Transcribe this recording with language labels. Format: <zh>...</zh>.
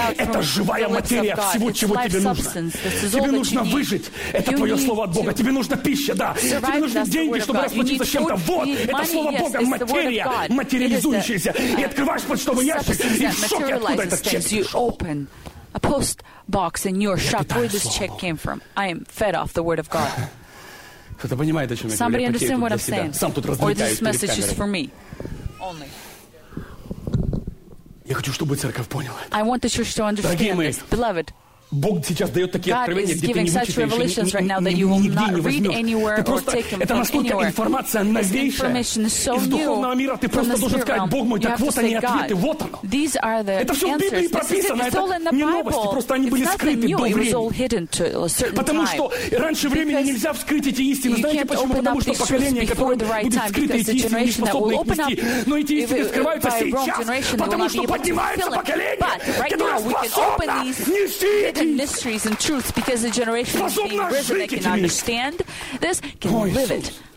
<ru>Это живая материя всего, чего тебе нужно. Тебе нужно выжить. Это твое слово от Бога. Тебе нужна пища, да. Тебе нужны деньги, чтобы расплатиться чем-то. Вот, это слово Бога, материя, материализующаяся. И открываешь почтовый ящик, и в шоке, откуда этот чек пришел.</ru> <en>A post box in your shop, where this check came from. I am fed off the word of God.</en> <ru>Кто-то понимает, о чем я говорю? Я потею тут для себя. Сам тут разлетаюсь перед. Я хочу, чтобы церковь поняла.</ru> <en>I want the church to understand.</en> <ru>Дорогие мои,</ru> <en>beloved,</en> <ru>Бог сейчас дает такие откровения, где ты не вычитаешь, нигде не возьмешь. Просто, это настолько информация новейшая из духовного мира. Ты просто должен сказать: Бог мой, так вот они ответы, вот оно. Это все в Библии прописано, это не новости, просто они были скрыты до времени. Потому что раньше времени нельзя вскрыть эти истины. Знаете почему? Потому что поколение, которое будет скрыто эти истины, не способны их нести. Но эти истины скрываются сейчас, потому что поднимается поколение, которое способно нести</ru> <en>and mysteries and truths, because the generation is being risen that can understand this, can live it.</en>